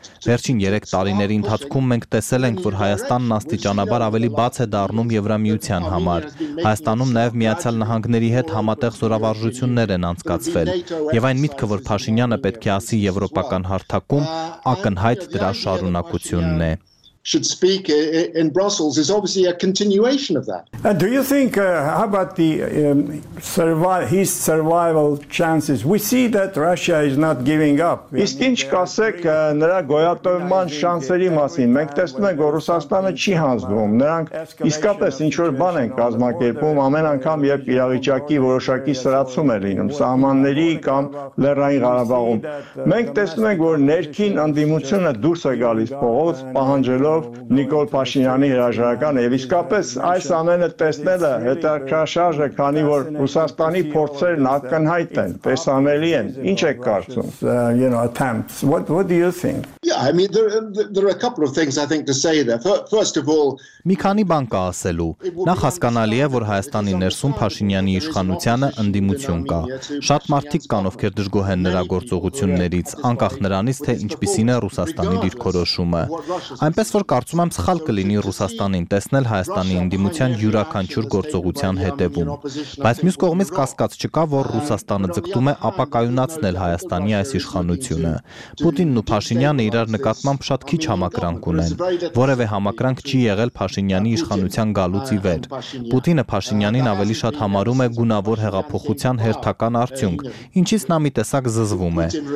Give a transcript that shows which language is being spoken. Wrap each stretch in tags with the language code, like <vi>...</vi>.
<hy>Վերջին 3 տարիների ընթացքում մենք տեսել ենք, որ Հայաստանն աստիճանաբար ավելի բաց է դառնում Եվրամիության համար։ Հայաստանում նաեւ Միացյալ Նահանգների հետ համատեղ զորավարժություններ են անցկացվել, եւ այն միտքը, որ Փաշինյանը պետք է ասի եվրոպական հարթակում, ակնհայտ դրա շարունակությունն է։</hy> <en>Should speak in Brussels is obviously a continuation of that. And do you think how about the survival chances? We see that Russia is not giving up.</en> <hy>Իսկ ինչ կասեք նրա գոյատևման շանսերի մասին? Մենք տեսնում ենք, որ Ռուսաստանը չի հանձնվում։ Նրանք իսկապես ինչ-որ բան են կազմակերպում ամեն անգամ, երբ իրավիճակի որոշակի սրացում է լինում սահմանների կամ Լեռնային Ղարաբաղում։ Մենք տեսնում ենք, որ ներքին անդիմությունը դուրս է գալիս փողոց, պահանջելով Նիկոլ Փաշինյանի հրաժարական, եւ իսկապես այս ամենը տեսնելը հետաքրքրաշարժ է, քանի որ Ռուսաստանի փորձերն ակնհայտ են, տեսանելի են։ Ինչ եք կարծում?</hy> <en>You know, attempts. What do you think? Yeah, I mean there are a couple of things I think to say there. First of all,</en> <hy>մի քանի բան կա ասելու։ Նախ հասկանալի է, որ Հայաստանի ներսում Փաշինյանի իշխանությունը ընդդիմություն կա։ Շատ մարդիկ կան, ովքեր դժգոհ են նրա գործողություններից, անկախ նրանից, թե ինչպիսին է Ռուսաստանի դիրքորոշումը։ Այնպես որ կարծում եմ, սխալ կլինի Ռուսաստանին տեսնել Հայաստանի ընդդիմության յուրաքանչյուր գործողության հետևում, բայց մյուս կողմից կասկած չկա, որ Ռուսաստանը ձգտում է ապակայունացնել Հայաստանի այս իշխանությունը։ Պուտինն ու Փաշինյանը իրար նկատմամբ շատ քիչ համակրանք ունեն, որևէ համակրանք չի եղել Փաշինյանի իշխանության գալուց ի վեր։ Պուտինը Փաշինյանին ավելի շատ համարում է գունավոր հեղափոխության հերթական արդյունք, ինչից նա մի տեսակ զզվում է,</hy>